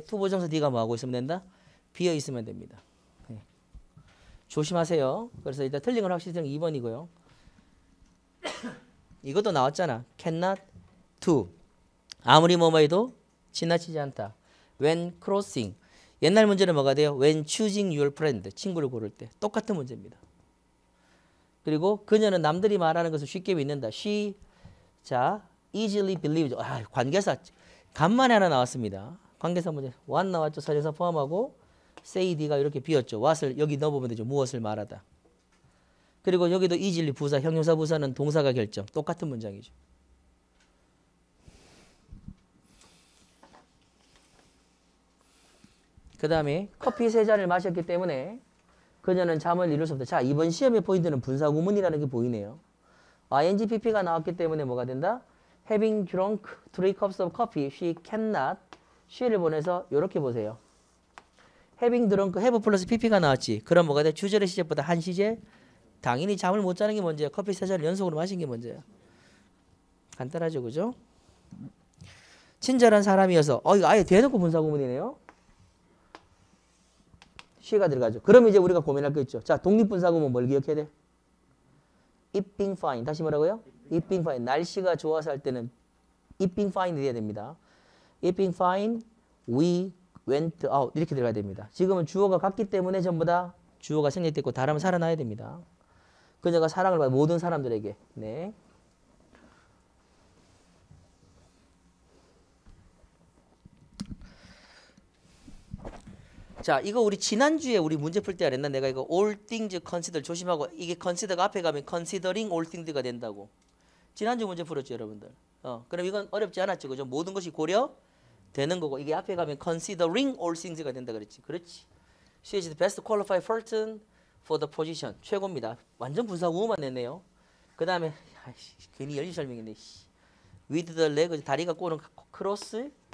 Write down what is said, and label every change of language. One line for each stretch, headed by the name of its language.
Korean: to 부정사 d가 뭐하고 있으면 된다? be어 있으면 됩니다. 네. 조심하세요. 그래서 일단 틀린 건 확실히 정 2번이고요. 이것도 나왔잖아. cannot to 아무리 뭐뭐 해도 지나치지 않다. when crossing 옛날 문제는 뭐가 돼요?
English: When choosing your friend,
Korean: 친구를 고를 때. 똑같은 문제입니다. 그리고 그녀는 남들이 말하는 것을 쉽게 믿는다.
English: She,
Korean: 자,
English: easily believes.
Korean: 아, 관계사, 간만에 하나 나왔습니다. 관계사 문제, what 나왔죠? 사례사 포함하고, say, d가 이렇게 비었죠. what을 여기 넣어보면 되죠. 무엇을 말하다. 그리고 여기도 easily 부사, 형용사 부사는 동사가 결정. 똑같은 문장이죠. 그 다음에 커피 세 잔을 마셨기 때문에 그녀는 잠을 이룰 수 없다. 자, 이번 시험의 포인트는 분사 구문이라는 게 보이네요. INGPP가 나왔기 때문에 뭐가 된다?
English: Having drunk three cups of coffee, she cannot.
Korean: She를 보내서 이렇게 보세요. Having drunk, have plus PP가 나왔지. 그럼 뭐가 돼? 주절의 시제보다 한 시제? 당연히 잠을 못 자는 게 먼저야. 커피 세 잔을 연속으로 마신 게 먼저야. 간단하죠, 그죠? 친절한 사람이어서 이거 아예 대놓고 분사 구문이네요. 시가 들어가죠. 그럼 이제 우리가 고민할 거 있죠. 자, 독립분사 구문 뭘 기억해야 돼?
English: It being fine.
Korean: 다시 뭐라고요?
English: It being fine.
Korean: 날씨가 좋아서 할 때는 It being fine 이래야 됩니다.
English: It being fine, we went out.
Korean: 이렇게 들어가야 됩니다. 지금은 주어가 같기 때문에 전부 다 주어가 생략됐고 다람 살아나야 됩니다. 그녀가 사랑을 받은 모든 사람들에게. 네. 자, 이거 우리 지난주에 우리 문제 풀 때 알았나? 내가 이거
English: all things considered
Korean: 조심하고 이게 consider가 앞에 가면
English: considering all things
Korean: 가 된다고. 지난주 문제 풀었죠, 여러분들. 그럼 이건 어렵지 않았죠. 그죠? 모든 것이 고려되는 거고 이게 앞에 가면
English: considering all things
Korean: 가 된다 그랬지. 그렇지?
English: She is the best qualified person for the position.
Korean: 최고입니다. 완전 분사구만 했네요. 그 다음에 괜히 열심히 설명했네.
English: With the leg,
Korean: 다리가 꼬는
English: cross.